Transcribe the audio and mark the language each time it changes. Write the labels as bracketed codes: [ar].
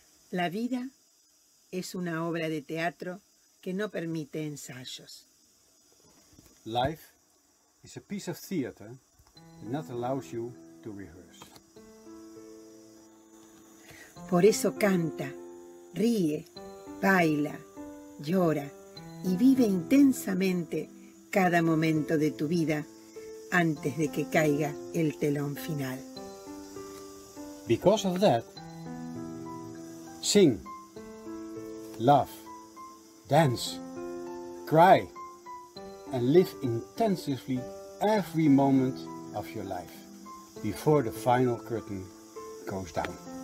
[es] La vida es una obra de teatro que no permite ensayos. [en] Life is a piece of theater that not allows you to rehearse. [es] Por eso canta, ríe, baila, llora y vive intensamente cada momento de tu vida antes de que caiga el telón final. [en] Because of that, sing, love, dance, cry, and live intensively every moment of your life before the final curtain goes down.